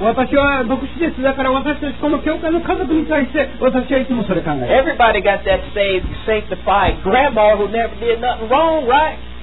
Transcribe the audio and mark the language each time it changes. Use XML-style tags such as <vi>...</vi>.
<ja>私は牧師です。だから私たちこの教会の家族に対して私はいつもそれ考えます。</ja> <en>Everybody got that saved, sanctified grandma who never did nothing wrong, right?</en>